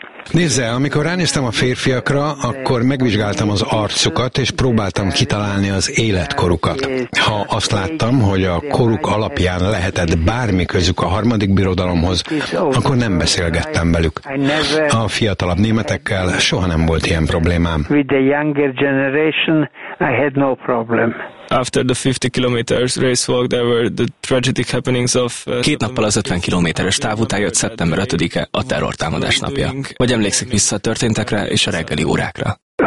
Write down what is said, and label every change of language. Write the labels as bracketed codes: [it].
[hu] Nézze, amikor ránéztem a férfiakra, akkor megvizsgáltam az arcukat, és próbáltam kitalálni az életkorukat. Ha azt láttam, hogy a koruk alapján lehetett bármi közük a harmadik birodalomhoz, akkor nem beszélgettem velük. A fiatalabb németekkel soha nem volt ilyen problémám. [en] With the younger generation, I had no problem. After the 50 kilometers race walk, there were the tragic happenings of. [hu] 2 nappal az 50 kilométeres táv után jött szeptember 5-e, a terrortámadás napja. Hogy emlékszik vissza a történtekre és a reggeli órákra?